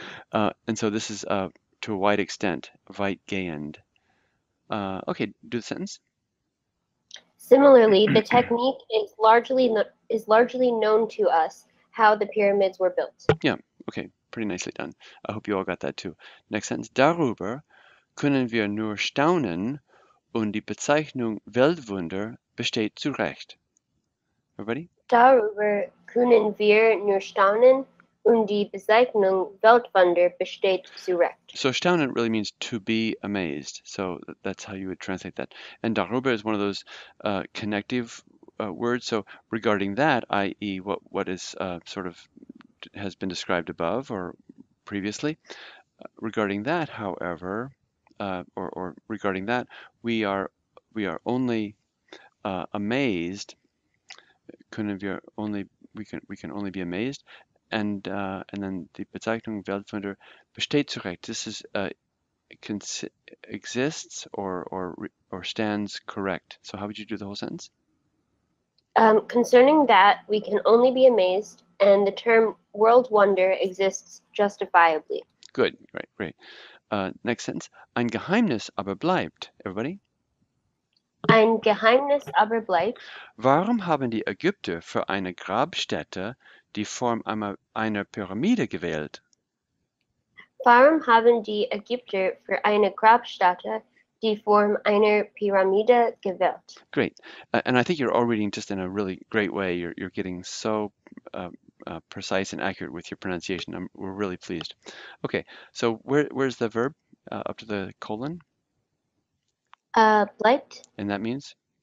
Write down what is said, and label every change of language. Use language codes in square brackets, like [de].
[en] and so this is to a wide extent, weitgehend. Okay, do the sentence. Similarly, the technique is largely known to us how the pyramids were built. Yeah, okay, pretty nicely done. I hope you all got that too. Next sentence. [de] Darüber können wir nur staunen und die Bezeichnung Weltwunder besteht zu Recht. [en] Everybody? [de] Darüber können wir nur staunen und die Bezeichnung Weltwunder besteht zu Recht. [en] So staunen really means to be amazed. So that's how you would translate that. And darüber is one of those connective words. So regarding that, i.e., what is sort of has been described above or previously. Regarding that, however, or regarding that, we are only amazed können wir only we can only be amazed. [de] And then die Bezeichnung Weltwunder besteht zurecht. [en] This is exists or stands correct. So how would you do the whole sentence? Concerning that, we can only be amazed, and the term world wonder exists justifiably. Good, right, great. Next sentence. Ein Geheimnis aber bleibt. Everybody? [de] Ein Geheimnis aber bleibt. Warum haben die Ägypter für eine Grabstätte die Form einer Pyramide gewählt? Warum haben die Ägypter für eine Grabstätte die Form einer Pyramide gewählt? [en] Great. And I think you're all reading just in a really great way. You're getting so precise and accurate with your pronunciation. We're really pleased. Okay, so where's the verb up to the colon? [de] Bleibt, [en] And that means?